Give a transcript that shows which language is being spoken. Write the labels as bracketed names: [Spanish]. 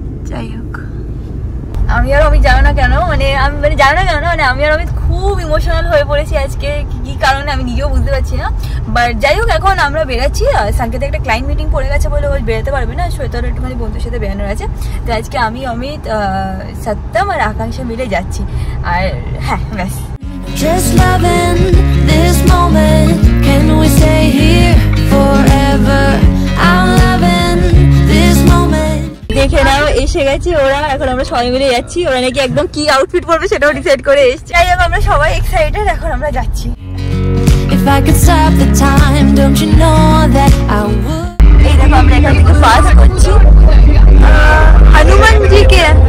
[Bangla] যাই হোক, আমি আর অমিত জানো না কেন মানে আমি মানে জানো না কেন মানে আমি আর অমিত খুব ইমোশনাল হয়ে পড়েছি আজকে, কী কারণে আমি নিজেও বুঝতে পারছি না। বাট যাই হোক, এখন আমরা বেরোচ্ছি। সাংকেতে একটা ক্লায়েন্ট মিটিং পড়ে গেছে বলে ও বেরোতে পারবে না, শ্বেতার একটুখানি বন্ধুর সাথে বেরানোর আছে। তো আজকে আমি অমিত সত্যম আর আকাঙ্ক্ষা মিলে যাচ্ছি, আর হ্যাঁ ব্যাস [English] just loving this moment, can we stay here forever? I'm loving this moment. [Bangla] দেখে নাও এসে গেছি ওরা, এখন আমরা সবাই মিলে যাচ্ছি। ওরা নাকি একদম কি আউটফিট পরবে সেটাও ডিসাইড করে এসেছি। যাই হোক, আমরা সবাই এক্সাইটেড, এখন আমরা যাচ্ছি। [English] If I could stop the time, don't you know that I would. [Bangla] এই দেখো আমরা এখান থেকে পাস করছি হনুমানজিকে।